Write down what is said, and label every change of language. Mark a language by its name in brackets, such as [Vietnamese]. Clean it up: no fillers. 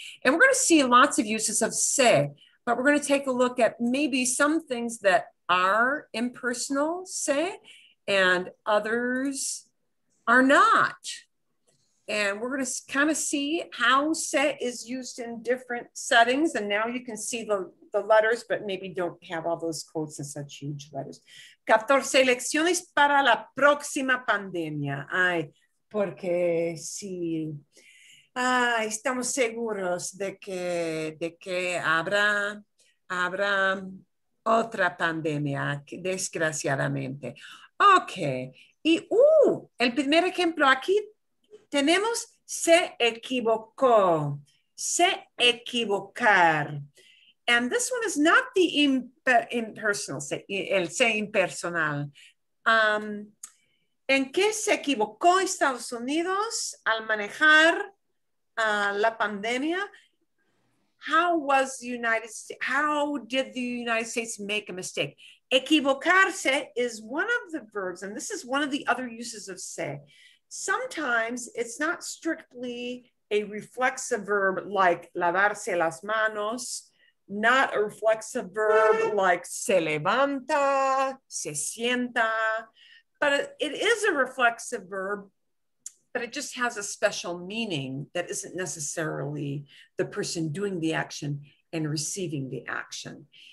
[English] And we're going to see lots of uses of se, but we're going to take a look at maybe some things that are impersonal se and others are not. And we're going to kind of see how se is used in different settings. And now you can see the letters, but maybe don't have all those quotes and such huge letters. [Spanish] 14 lecciones para la próxima pandemia. Porque sí, estamos seguros de que habrá otra pandemia, desgraciadamente. Ok, y el primer ejemplo aquí tenemos se equivocó, se equivocar. [English] And this one is not the impersonal, [Spanish] el se impersonal. ¿En qué se equivocó Estados Unidos al manejar la pandemia? [English] How did the United States make a mistake? Equivocarse is one of the verbs, and this is one of the other uses of se. Sometimes it's not strictly a reflexive verb like [Spanish] lavarse las manos, [English] not a reflexive verb like [Spanish] se levanta, se sienta, [English] but it is a reflexive verb, but it just has a special meaning that isn't necessarily the person doing the action and receiving the action.